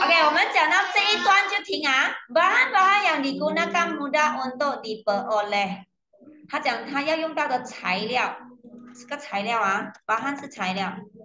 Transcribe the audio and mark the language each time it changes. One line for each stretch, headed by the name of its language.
Chinese: OK， 我们讲到这一段就停啊。
Malay: Bahan-bahan yang digunakan mudah untuk diperoleh，
Chinese: 他讲他要用到的材料。这个材料啊，巴汉是材料。